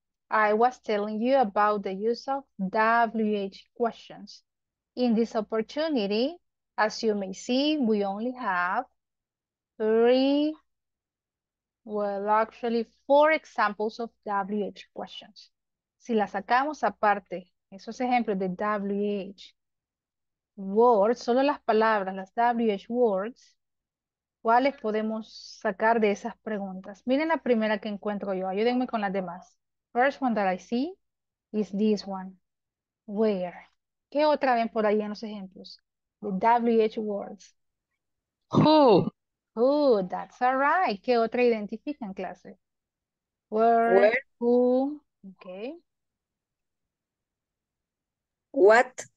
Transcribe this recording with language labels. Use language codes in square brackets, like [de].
[en] I was telling you about the use of WH questions. In this opportunity, as you may see, we only have four examples of WH questions. [es] Si la sacamos aparte, esos ejemplos de WH words, solo las palabras, las WH words, ¿cuáles podemos sacar de esas preguntas? Miren la primera que encuentro yo. Ayúdenme con las demás. [en] First one that I see is this one. Where. [es] ¿Qué otra ven por ahí en los ejemplos? [en] The WH words. Who. Who, that's all right. [es] ¿Qué otra identifican, clase? Where. Who, Okay. [en] What?